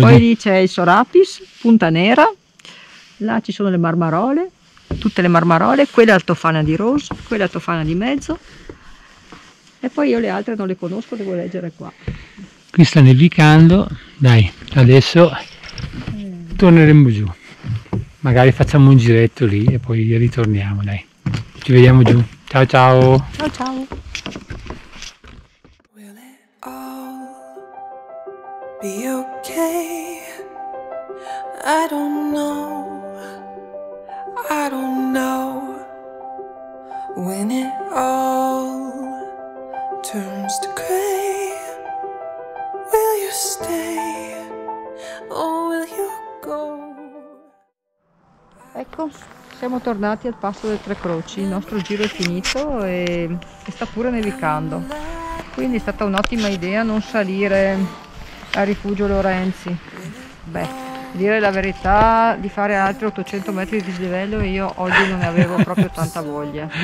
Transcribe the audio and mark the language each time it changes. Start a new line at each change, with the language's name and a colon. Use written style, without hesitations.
Italian: Poi lì c'è il Sorapiss, Punta Nera, là ci sono le marmarole, tutte le marmarole, quella è la Tofana di Rose, quella è la Tofana di Mezzo. E poi io le altre non le conosco, devo leggere qua. Qui sta nevicando, dai, adesso torneremo giù. Magari facciamo un giretto lì e poi ritorniamo, dai. Ci vediamo giù. Ciao, ciao. Ciao, ciao.
English: Will it all be okay? I don't know. I don't know. When it all turns to gray, will you stay or will you go?
Italian: Ecco, siamo tornati al Passo delle Tre Croci, il nostro giro è finito e sta pure nevicando, quindi è stata un'ottima idea non salire a Rifugio Lorenzi. Beh, dire la verità, di fare altri 800 metri di dislivello io oggi non ne avevo proprio tanta voglia.